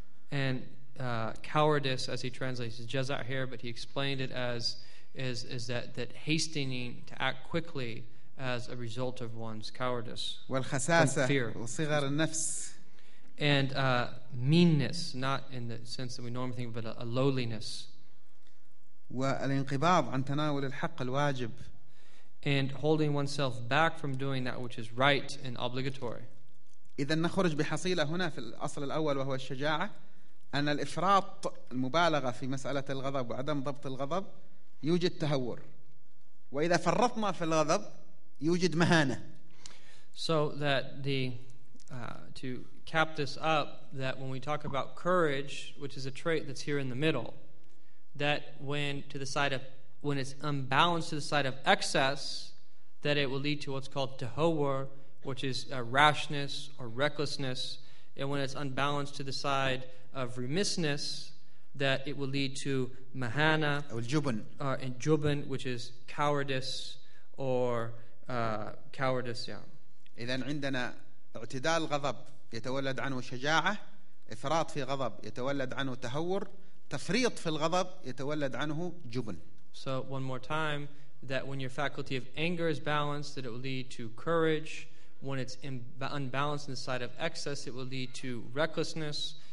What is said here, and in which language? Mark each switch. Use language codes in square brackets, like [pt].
[en] And cowardice, as he translates his jaza here, but he explained it as is that hastening to act quickly as a result of one's cowardice. [ar] والخساسة وصغر النفس. [en] And meanness, not in the sense that we normally think, but a lowliness. [ar] والانقباض عن تناول الحق الواجب. [en] And holding oneself back from doing that which is right and obligatory. [ar] إذن نخرج بحصيلة هنا في الأصل الأول وهو الشجاعة، أن الإفراط، المبالغة في مسألة الغضب وعدم ضبط الغضب، يوجد تهور، وإذا فرطنا في الغضب يوجد مهانة. [en] So that the to cap this up, that when we talk about courage, which is a trait that's here in the middle, that when to the side of when it's unbalanced to the side of excess, that it will lead to what's called tahawur, which is a rashness or recklessness, and when it's unbalanced to the side of remissness, that it will lead to mahana or jubun, and jubun, which is cowardice or cowardice. Yeah. [ar] إذن عندنا اعتدال غضب يتولد عنه شجاعة، إفراط في غضب يتولد عنه تهور، تفريط في الغضب يتولد عنه جبن. [en] So one more time, that when your faculty of anger is balanced, that it will lead to courage. When it's unbalanced in the side of excess, it will lead to recklessness.